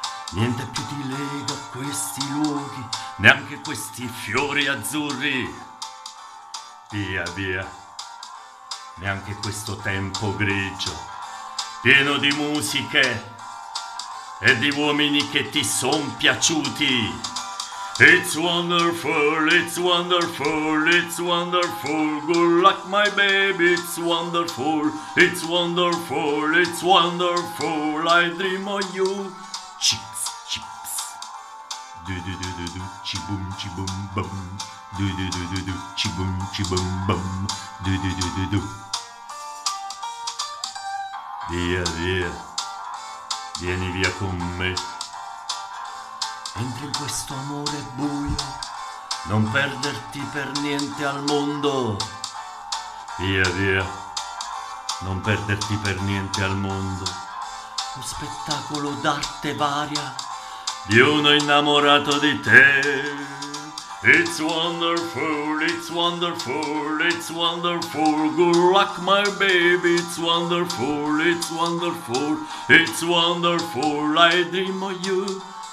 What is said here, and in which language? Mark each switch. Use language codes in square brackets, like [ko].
[it] Niente più ti lega a questi luoghi, neanche questi fiori azzurri. Via, via, neanche questo tempo grigio, pieno di musiche e di uomini che ti son piaciuti. [en] It's wonderful, it's wonderful, it's wonderful, good luck my baby, it's wonderful, it's wonderful, it's wonderful, I dream of you. Chips, chips, du-du-du-du-du, chi-boom, chi-boom, bum, du-du-du-du-du, chi-boom, chi-boom, bum, du-du-du-du-du. [it] Via, via, vieni via con me. Entri in questo amore buio, non perderti per niente al mondo. Via, via, non perderti per niente al mondo. Lo spettacolo d'arte varia di uno innamorato di te. [en] It's wonderful, it's wonderful, it's wonderful, good luck my baby, it's wonderful, it's wonderful, it's wonderful, I dream of you.